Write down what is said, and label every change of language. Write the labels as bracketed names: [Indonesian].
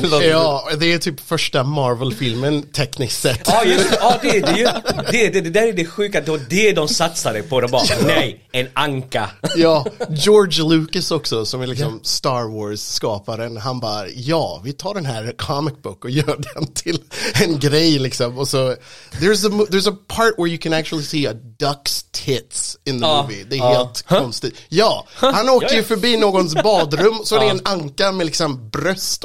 [Swedish] Ja, det är typ första Marvel-filmen tekniskt sett. Ja, det är det sjuka. Det är det de satsade på. Det bara, nej, en anka. Ja, George Lucas också, som är liksom Star Wars-skaparen. Han bara, ja, vi tar den här comic book och gör den till en grej liksom. Och så, [English] there's a part where you can actually see a duck's tits in the movie. [Swedish] Det är helt konstigt. Ja, han åker ju förbi någons badrum. Så det är en anka med liksom bröst.